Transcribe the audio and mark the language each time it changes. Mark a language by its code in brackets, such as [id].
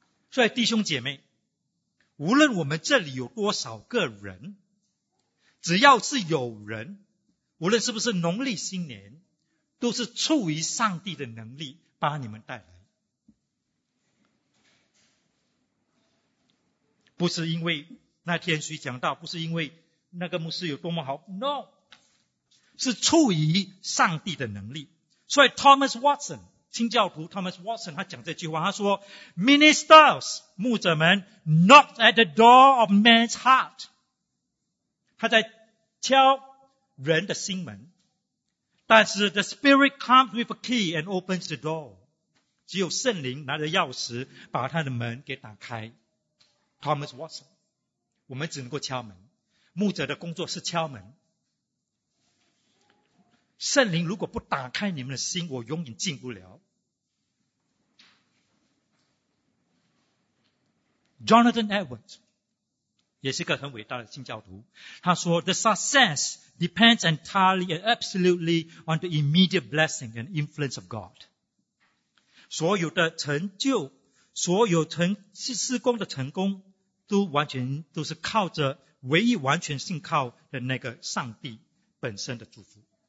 [zh] 所以弟兄姐妹，无论我们这里有多少个人，只要是有人，无论是不是农历新年，都是出于上帝的能力把你们带来，不是因为那天谁讲道，不是因为那个牧师有多么好， no， 是出于上帝的能力。所以 Thomas Watson 清教徒 Thomas Watson 他讲这句话，他说 [en] Ministers [zh] 牧者们 [en] knocked at the door of man's heart， [zh] 他在敲人的心门，但是 [en] the spirit comes with a key and opens the door， [zh] 只有圣灵拿着钥匙把他的门给打开。 Thomas Watson， 我们只能够敲门，牧者的工作是敲门，圣灵如果不打开你们的心，我永远进不了。 Jonathan Edwards 也是个很伟大的新教徒，他说 [en] The success depends entirely and absolutely on the immediate blessing and influence of God， [zh] 所有的成就，所有施工的成功，都完全都是靠着唯一完全信靠的那个上帝本身的祝福。